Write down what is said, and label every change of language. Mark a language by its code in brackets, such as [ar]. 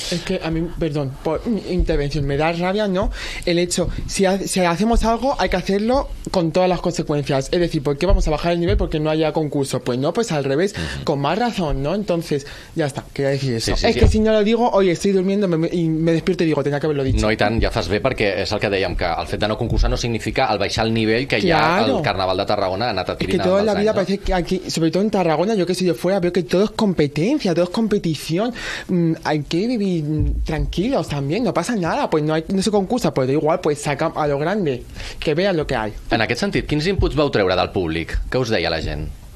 [es] Es que a mí, perdón, por mi intervención, me da rabia, ¿no? El hecho, si hacemos algo, hay que hacerlo con todas las consecuencias. Es decir, ¿por qué vamos a bajar el nivel? Porque no haya concurso. Pues no, pues al revés, uh-huh. Con más razón, ¿no? Entonces, ya está, quería decir eso. Sí, sí, es sí. Que si no lo digo, oye, estoy durmiendo y me despierto y digo, tenía que haberlo dicho. [ca] No, y tan, ya estás bé, perquè és el que dèiem, que el fet de no concursar no significa el baixar el nivell que [es] claro. [ca] Ja el Carnaval de Tarragona ha anat adquirint. [es] Es que toda la vida años, parece que aquí, sobretot en Tarragona, yo que soy de fuera, veo que todo es competencia, todo es competición, hay que vivir tranquilos también, no pasa nada, pues no se concursa, pues da igual, pues saca a lo grande, que vea lo que hay. [ca] En aquest sentit, quins inputs vau treure del públic? Què us deia la gent?